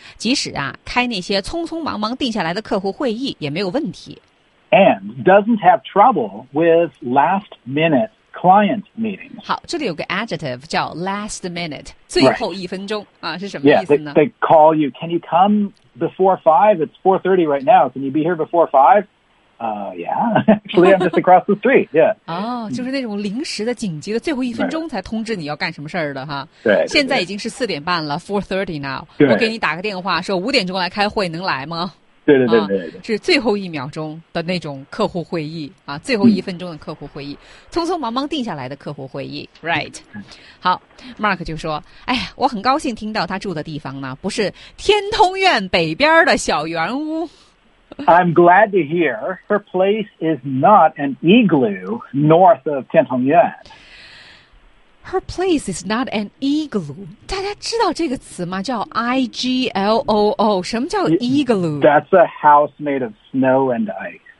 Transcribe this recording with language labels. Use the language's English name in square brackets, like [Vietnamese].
[Chinese] 即使啊，开那些匆匆忙忙定下来的客户会议也没有问题。 [English] And doesn't have trouble with last-minute client meetings. [Chinese] 好，这里有个 adjective 叫 last minute， 最后一分钟、 [English] right. [Chinese] 啊，是什么意思呢 [English] ？Yeah, they call you. Can you come before five? It's 4:30 right now. Can you be here before five? Actually, I'm just across the street. Yeah. [Chinese] 哦、oh, ，就是那种临时的、紧急的，最后一分钟才通知你要干什么事儿的哈。对。现在已经是4:30了 ，4:30 now。我给你打个电话，说5点来开会，能来吗？对。是最后一秒钟的那种客户会议啊，最后一分钟的客户会议，匆匆忙忙定下来的客户会议 ，right？好 ，Mark 就说：“哎呀，我很高兴听到他住的地方呢，不是天通苑北边的小圆屋。” [English] I'm glad to hear her place is not an igloo north of Tiantongyuan. Her place is not an igloo. [Chinese] 大家知道这个词吗？叫 igloo. 什么叫 igloo? [English] That's a house made of snow and ice.